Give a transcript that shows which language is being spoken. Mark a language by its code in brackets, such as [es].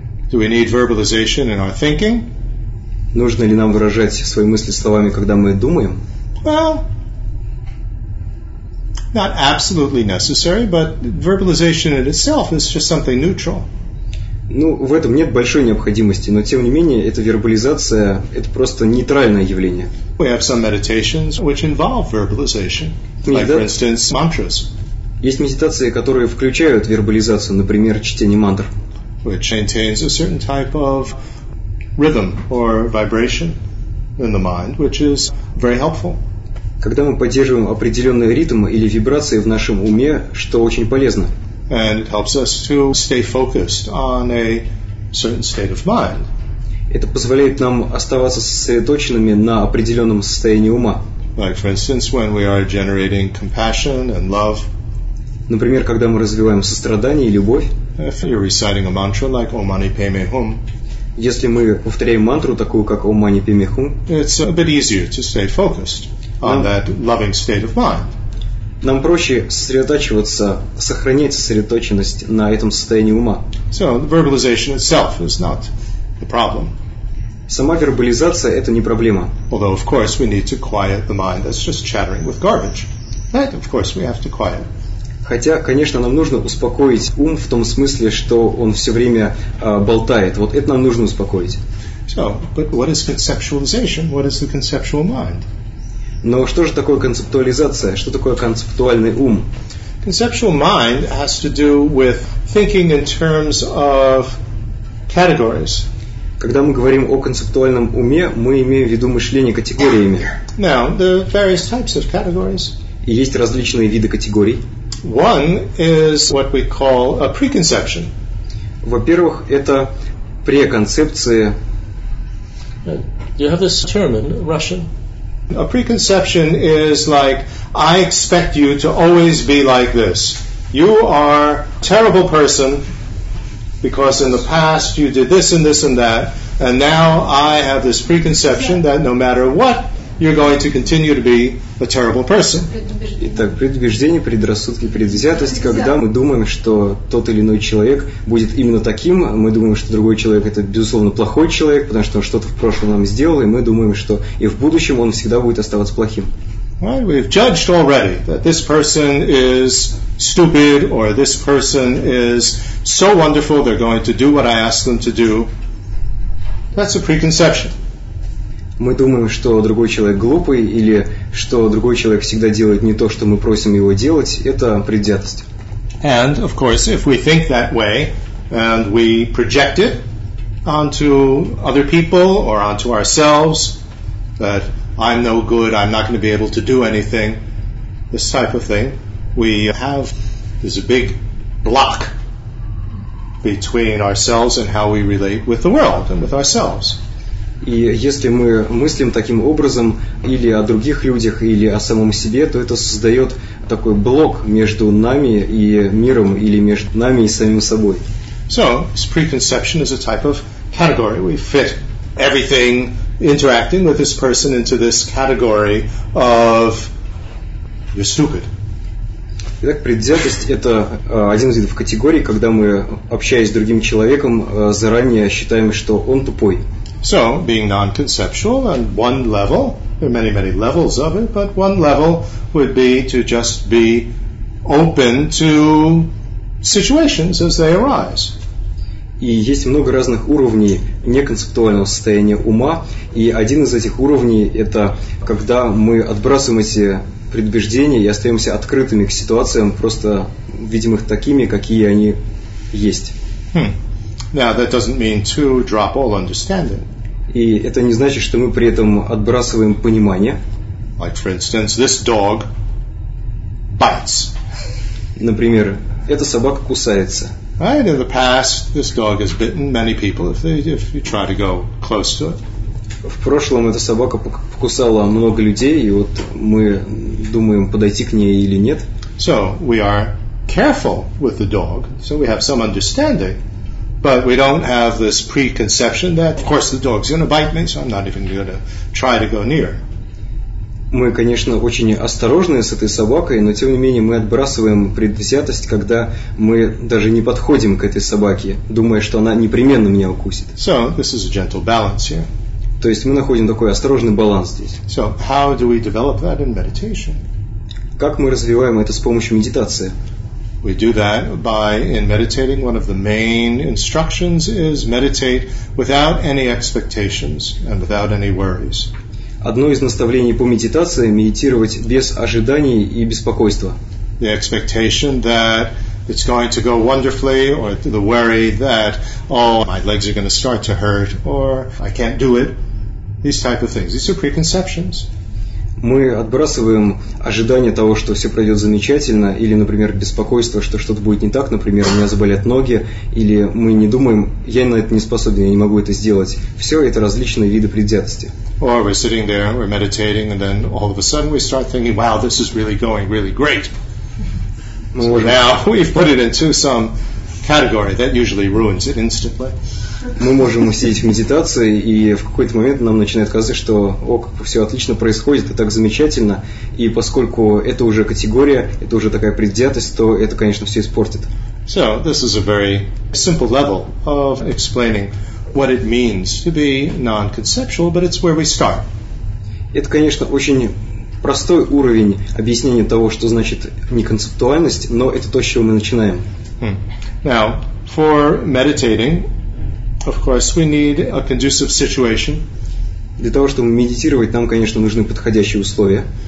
[en] Do we need verbalization in our thinking? [ru] Нужно ли нам выражать свои мысли словами, когда мы думаем? [en] Well, not absolutely necessary, but verbalization in itself is just something neutral. [ru] Ну, в этом нет большой необходимости, но тем не менее, эта вербализация – это просто нейтральное явление. [en] We have some meditations which involve verbalization, like, for instance, mantras. [ru] Есть медитации, которые включают вербализацию, например, чтение мантр. [en] Which maintains a certain type of rhythm or vibration in the mind, which is very helpful. [ru] Когда мы поддерживаем определенные ритмы или вибрации в нашем уме, что очень полезно. [en] And it helps us to stay focused on a certain state of mind. [ru] Это позволяет нам оставаться сосредоточенными на определенном состоянии ума. [en] Like, for instance, when we are generating compassion and love. [ru] Например, когда мы развиваем сострадание и любовь. [en] If you're reciting a mantra like Om Mani Padme Hum. [ru] Если мы повторяем мантру такую как Om Mani Padme Hum. [en] It's a bit easier to stay focused on that loving state of mind. [ru] Нам проще сосредотачиваться, сохранять сосредоточенность на этом состоянии ума. [en] So, verbalization itself is not the problem. [ru] Сама вербализация – это не проблема. [en] Although, of course, we need to quiet the mind that's just chattering with garbage. Right? Of course, we have to quiet. [ru] Хотя, конечно, нам нужно успокоить ум в том смысле, что он все время болтает. Вот это нам нужно успокоить. [en] So, but what is conceptualization? What is the conceptual mind? [ru] Но что же такое концептуализация? Что такое концептуальный ум? [en] Conceptual mind has to do with thinking in terms of categories. [ru] Когда мы говорим о концептуальном уме, мы имеем в виду мышление категориями. [en] Now, the various types of categories. [ru] И есть различные виды категорий. [en] One is what we call a preconception. [ru] Во-первых, это преконцепция. [en] You have this term in Russian. A preconception is like, I expect you to always be like this. You are a terrible person because in the past you did this and this and that, and now I have this preconception that no matter what, you're going to continue to be a terrible person. [ru] Итак, предубеждение, предрассудки, предвзятость. Когда мы думаем, что тот или иной человек будет именно таким, мы думаем, что другой человек – это, безусловно, плохой человек, потому что он что-то в прошлом нам сделал, и мы думаем, что и в будущем он всегда будет оставаться плохим. [en] Right, we've judged already that this person is stupid or this person is so wonderful, they're going to do what I ask them to do. That's a preconception. [ru] Мы думаем, что другой человек глупый или что другой человек всегда делает не то, что мы просим его делать, это предвзятость. [en] And of course, if we think that way and we project it onto other people or onto ourselves, that I'm no good, I'm not going to be able to do anything, this type of thing, we have there's a big block between ourselves and how we relate with the world and with ourselves. [ru] И если мы мыслим таким образом или о других людях, или о самом себе, то это создает такой блок между нами и миром, или между нами и самим собой. [en] So, this preconception is a type of category. We fit everything interacting with this person into this category of you're stupid. [ru] Итак, предвзятость – это один из видов категорий, когда мы, общаясь с другим человеком, заранее считаем, что он тупой. [en] So, being non-conceptual, and one level, there are many, many levels of it, but one level would be to just be open to situations as they arise. [ru] И есть много разных уровней неконцептуального состояния ума. И один из этих уровней – это когда мы отбрасываем эти предубеждения и остаемся открытыми к ситуациям, просто видим их такими, какие они есть. [en] Now, that doesn't mean to drop all understanding. [ru] И это не значит, что мы при этом отбрасываем понимание. [en] Like, for instance, this dog bites. [ru] Например, эта собака кусается. [en] Right, in the past, this dog has bitten many people if you try to go close to it. [ru] В прошлом эта собака покусала много людей, и вот мы думаем, подойти к ней или нет. [en] So, we are careful with the dog, so we have some understanding, but we don't have this preconception that, of course, the dog's going to bite me, so I'm not even going to try to go near. [ru] Мы, конечно, очень осторожны с этой собакой, но тем не менее мы отбрасываем предвзятость, когда мы даже не подходим к этой собаке, думая, что она непременно меня укусит. [en] So, this is a gentle balance here. [ru] То есть мы находим такой осторожный баланс здесь. [en] So, how do we develop that in meditation? [ru] Как мы развиваем это с помощью медитации? [en] We do that by, in meditating, one of the main instructions is meditate without any expectations and without any worries. [ru] Одно из наставлений по медитации – медитировать без ожиданий и беспокойства. [en] The expectation that it's going to go wonderfully, or the worry that, oh, my legs are going to start to hurt, or I can't do it. These type of things. These are preconceptions. [ru] Мы отбрасываем ожидание того, что все пройдет замечательно, или, например, беспокойство, что что-то будет не так, например, у меня заболят ноги, или мы не думаем, я на это не способен, я не могу это сделать. Все это различные виды предвзятости. [en] Or we're sitting there, we're meditating, and then all of a sudden we start thinking, wow, this is really going really great. So now we've put it into some category that usually ruins it instantly. [ru] Мы можем сидеть в медитации, и в какой-то момент нам начинает казаться, что о, как все отлично происходит, и так замечательно, и поскольку это уже категория, это уже такая предвзятость, то это, конечно, все испортит. [en] So, this is a very simple level of explaining what it means to be non-conceptual, but it's where we start. [ru] Это, конечно, очень простой уровень объяснения того, что значит неконцептуальность, но это то, с чего мы начинаем. [en] Now, for meditating, of course, we need a conducive situation. [ru] Для того, чтобы медитировать, нам, конечно, нужны подходящие условия.